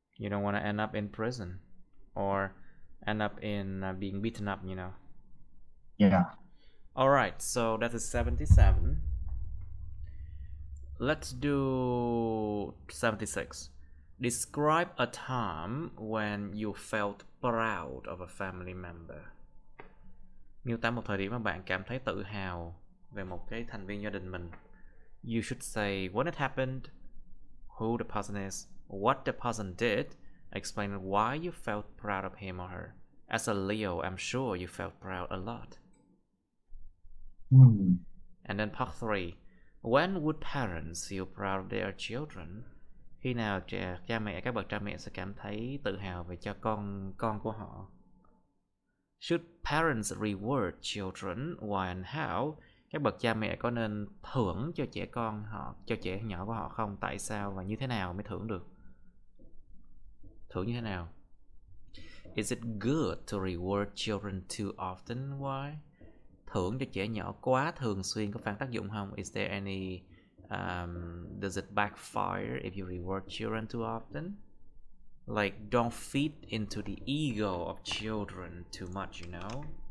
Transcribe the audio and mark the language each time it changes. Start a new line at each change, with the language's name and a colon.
English: You don't want to end up in prison, or end up in being beaten up, you know. Yeah. All right, so that is 77. Let's do 76. Describe a time when you felt proud of a family member.
Vietnamese: Miêu tả một thời điểm mà bạn cảm thấy tự hào về một cái thành viên gia đình mình.
English: You should say when it happened, who the person is, what the person did, explain why you felt proud of him or her. As a Leo, I'm sure you felt proud a lot. And then part 3. When would parents feel proud of their children?
Vietnamese: Khi nào cha mẹ, các bậc cha mẹ sẽ cảm thấy tự hào về cho con của họ?
English: Should parents reward children why and how?
Vietnamese: Các bậc cha mẹ có nên thưởng cho trẻ con họ, cho trẻ nhỏ của họ không? Tại sao và như thế nào mới thưởng được? Thưởng như thế nào?
English: Is it good to reward children too often? Why?
Vietnamese: Thưởng cho trẻ nhỏ quá thường xuyên có phản tác dụng không?
English: Is there any does it backfire if you reward children too often? Like, don't feed into the ego of children too much, you know?